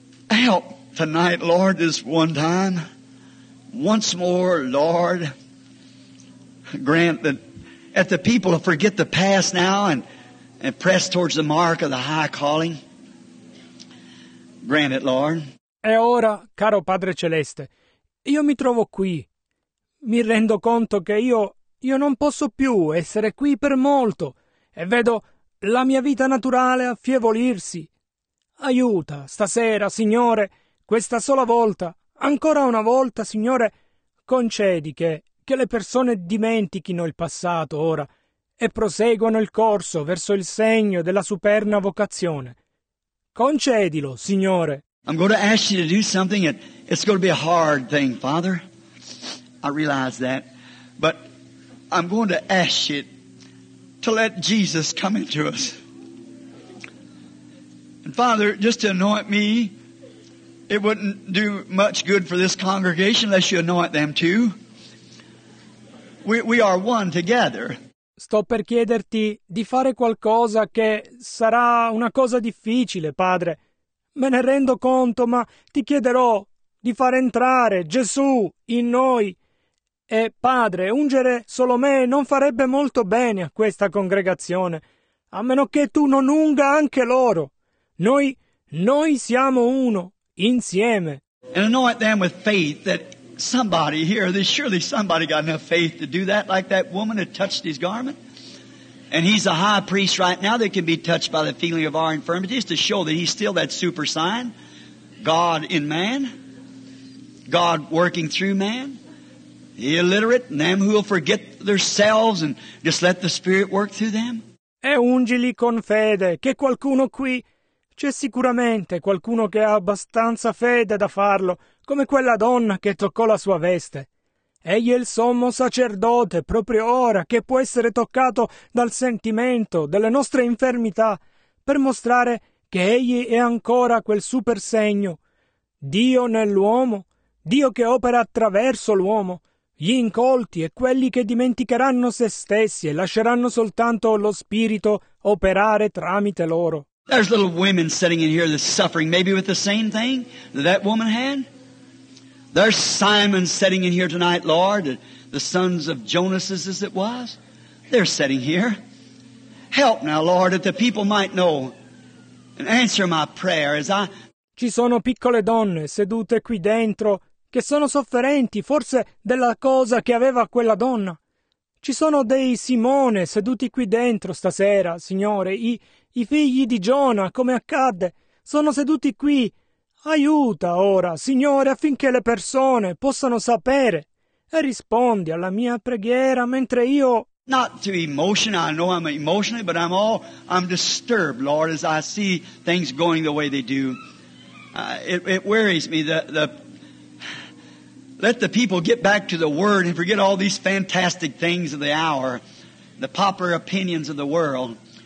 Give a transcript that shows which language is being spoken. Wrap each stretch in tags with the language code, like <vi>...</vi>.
<en>Help. Tonight, Lord, this one time, once more, Lord, grant that the people will forget the past now and press towards the mark of the high calling. Grant it, Lord.</en> <it>E ora, caro Padre Celeste, io mi trovo qui. Mi rendo conto che io non posso più essere qui per molto e vedo la mia vita naturale affievolirsi. Aiuta, stasera, Signore. Questa sola volta, ancora una volta, Signore, concedi che le persone dimentichino il passato ora e proseguano il corso verso il segno della superna vocazione. Concedilo, Signore.</it> <en>I'm going to ask you to do something and it's going to be a hard thing, Father. I realize that. But I'm going to ask you to let Jesus come into us. And Father, just to anoint me. It wouldn't do much good for this congregation unless you anoint them too. We are one together.</en> <it>Sto per chiederti di fare qualcosa che sarà una cosa difficile, Padre. Me ne rendo conto, ma ti chiederò di far entrare Gesù in noi. E, Padre, ungere solo me non farebbe molto bene a questa congregazione, a meno che tu non unga anche loro. Noi siamo uno. Insieme.</it> <en>And anoint them with faith that somebody here, there's surely somebody got enough faith to do that, like that woman that touched his garment. And he's a high priest right now that can be touched by the feeling of our infirmities to show that he's still that super sign, God in man, God working through man, the illiterate, and them who will forget themselves and just let the Spirit work through them.</en> <it>E ungili con fede che qualcuno qui. C'è sicuramente qualcuno che ha abbastanza fede da farlo, come quella donna che toccò la sua veste. Egli è il sommo sacerdote, proprio ora, che può essere toccato dal sentimento delle nostre infermità, per mostrare che egli è ancora quel super segno. Dio nell'uomo, Dio che opera attraverso l'uomo, gli incolti e quelli che dimenticheranno se stessi e lasceranno soltanto lo Spirito operare tramite loro.</it> <en>There's little women sitting in here that's suffering, maybe with the same thing that woman had. There's Simon sitting in here tonight, Lord, the sons of Jonas, as it was. They're sitting here. Help now, Lord, that the people might know. And answer my prayer as I...</en> <it>Ci sono piccole donne sedute qui dentro che sono sofferenti, forse della cosa che aveva quella donna. Ci sono dei Simone seduti qui dentro stasera, Signore, i figli di Giona, come accadde, sono seduti qui. Aiuta ora, Signore, affinché le persone possano sapere e rispondi alla mia preghiera mentre io...</it> <en>Not to emotion, I know I'm emotionally, but I'm disturbed, Lord, as I see things going the way they do. It worries me. Let the people get back to the Word and forget all these fantastic things of the hour, the popular opinions of the world.</en>